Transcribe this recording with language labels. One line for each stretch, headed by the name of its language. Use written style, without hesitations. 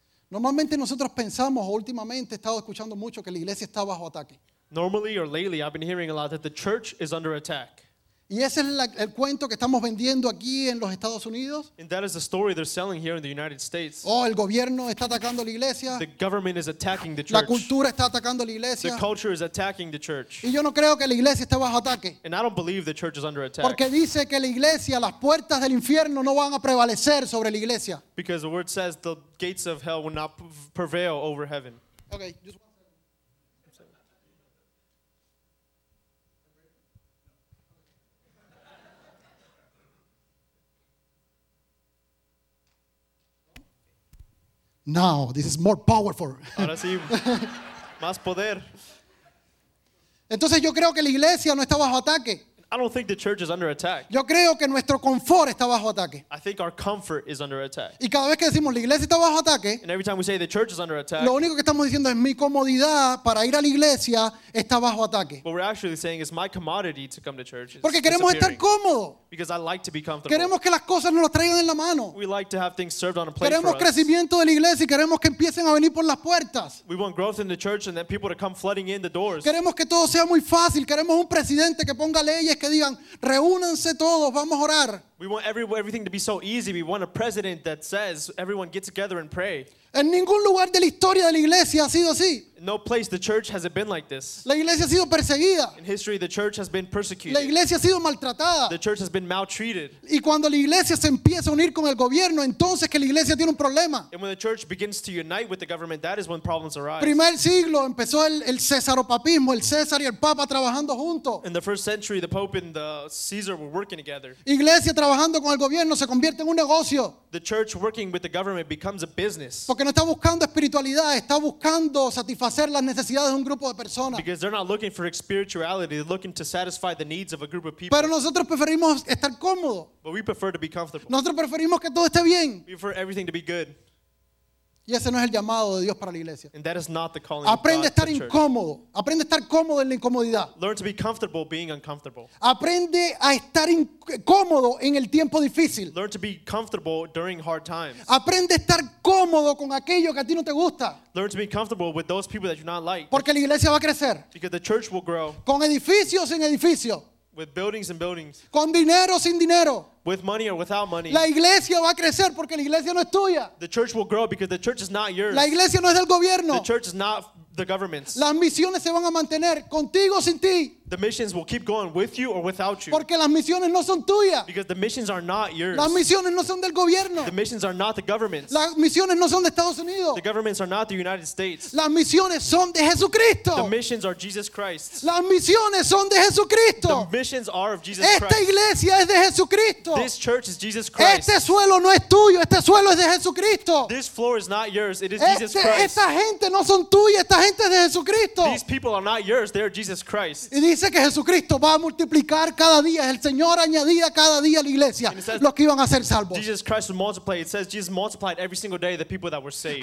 Spanish: Normalmente nosotros pensamos, últimamente he estado escuchando mucho que la iglesia está bajo ataque.
English: Normally or lately, I've been hearing a lot that the church is under attack.
Spanish: Y ese es el cuento que estamos vendiendo aquí en los Estados Unidos.
English: And that is the story they're selling here in the United States.
Spanish: Oh, el gobierno está atacando la iglesia.
English: The government is attacking the church.
Spanish: La cultura está atacando la iglesia.
English: The culture is attacking the church.
Spanish: Y yo no creo que la iglesia esté bajo ataque.
English: And I don't believe the church is under attack.
Spanish: Porque dice que la iglesia, las puertas del infierno no van a prevalecer sobre la iglesia.
English: Because the word says the gates of hell will not prevail over heaven. Okay, just one. Now, this is more powerful.
Spanish: Ahora sí, más poder. Entonces yo creo que la iglesia no está bajo ataque.
English: I don't think the church is under attack.
Spanish: Yo creo que nuestro confort está bajo ataque.
English: I think our comfort is under attack.
Spanish: Y cada vez que decimos la iglesia está bajo ataque,
English: and every time we say the church is under attack,
Spanish: lo único que estamos diciendo es mi comodidad para ir a la iglesia está bajo ataque.
English: What we're actually saying is my commodity to come to church.
Spanish: Porque queremos estar cómodo.
English: Because I like to be comfortable.
Spanish: Queremos que las cosas nos las traigan en la mano.
English: We like to have things served on a plate.
Spanish: Queremos crecimiento de la iglesia y queremos que empiecen a venir por las puertas.
English: We want growth in the church and then people to come flooding in the doors.
Spanish: Queremos que todo sea muy fácil. Queremos un presidente que ponga leyes que digan, reúnanse todos, vamos a orar.
English: We want everything to be so easy. We want a president that says, everyone get together and pray.
Spanish: En ningún lugar de la historia de la iglesia ha sido así.
English: No place the church has it been like this.
Spanish: La iglesia ha sido perseguida.
English: In history, the church has been persecuted.
Spanish: La iglesia ha sido maltratada.
English: The church has been maltreated.
Spanish: Y cuando la iglesia se empieza a unir con el gobierno, entonces que la iglesia tiene un problema.
English: And when the church begins to unite with the government, that is when problems arise.
Spanish: Primer siglo empezó el cesaropapismo, el César y el Papa trabajando juntos.
English: In the first century, the Pope and the Caesar were working together.
Spanish: Iglesia trabajando con el gobierno se convierte en un negocio.
English: The church working with the government becomes a business.
Spanish: Porque no está buscando espiritualidad, está buscando satisfacer las necesidades de un grupo de personas.
English: Because they're not looking for spirituality, they're looking to satisfy the needs of a group of people.
Spanish: Pero nosotros preferimos estar cómodos.
English: But we prefer to be comfortable.
Spanish: Nosotros preferimos que todo esté bien.
English: We prefer everything to be good.
Spanish: Y ese no es el llamado de Dios para la iglesia.
English: And that is not the calling.
Spanish: Aprende
English: of God
Spanish: a estar incómodo. Aprende a estar cómodo en la incomodidad.
English: Learn to be comfortable being uncomfortable.
Spanish: Aprende a estar cómodo en el tiempo difícil.
English: Learn to be comfortable during hard times.
Spanish: Aprende a estar cómodo con aquello que a ti no te gusta.
English: Learn to be comfortable with those people that you not like.
Spanish: Porque la iglesia va a crecer.
English: Because the church will grow.
Spanish: Con edificios sin edificios.
English: With buildings and buildings.
Spanish: Con dinero sin dinero.
English: With money or without money.
Spanish: La iglesia va a crecer porque la iglesia no es tuya.
English: The church will grow because the church is not yours.
Spanish: La iglesia no es del gobierno.
English: The church is not the government's.
Spanish: Las misiones se van a mantener contigo sin ti.
English: The missions will keep going with you or without you.
Spanish: Porque las misiones no son tuyas.
English: Because the missions are not yours.
Spanish: Las misiones no son del gobierno.
English: The missions are not the government's.
Spanish: Las misiones no son de Estados Unidos.
English: The governments are not the United States.
Spanish: Las misiones son de Jesucristo.
English: The missions are Jesus Christ.
Spanish: Las misiones son de Jesucristo.
English: The missions are of Jesus
Spanish: Christ. Esta iglesia es de Jesucristo.
English: This church is Jesus Christ.
Spanish: Este suelo no es tuyo. Este suelo es de Jesucristo.
English: This floor is not yours. It is Jesus Christ.
Spanish: Esta gente no son tuyas. Esta gente es de Jesucristo.
English: These people are not yours. They are Jesus Christ.
Spanish: Dice que Jesucristo va a multiplicar cada día. El Señor añadía cada día a la iglesia los que iban a ser salvos.
English: Jesus Christ would multiply. It says Jesus multiplied every single day the people that were saved.